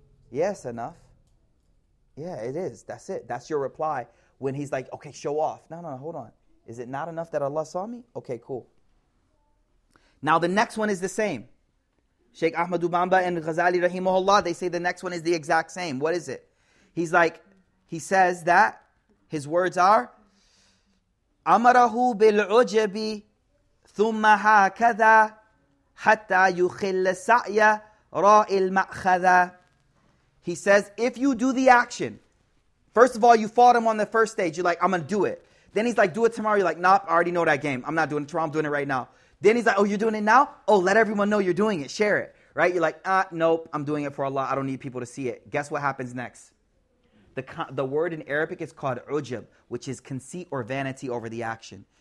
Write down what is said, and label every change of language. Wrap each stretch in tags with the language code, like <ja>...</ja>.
<en>Yeah, it is. That's it. That's your reply when he's like, okay, show off. No, hold on. Is it not enough that Allah saw me? Okay, cool. Now the next one is the same. Sheikh Ahmad Ubamba and Ghazali Rahimahullah, they say the next one is the exact same. What is it? He's like, he says that his words are,</en> <ar>أَمَرَهُ بِالْعُجَبِ ثُمَّ هَكَذَا حَتَّى يُخِلَّ سَعْيَ رَأِ الْمَأْخَذَ.</ar> <en>He says, if you do the action, first of all, you fought him on the first stage. You're like, I'm going to do it. Then he's like, do it tomorrow. You're like, nope, I already know that game. I'm not doing it tomorrow. I'm doing it right now. Then he's like, oh, you're doing it now? Oh, let everyone know you're doing it. Share it. Right? You're like, nope, I'm doing it for Allah. I don't need people to see it. Guess what happens next? The word in Arabic is called ujub, which is conceit or vanity over the action.</en>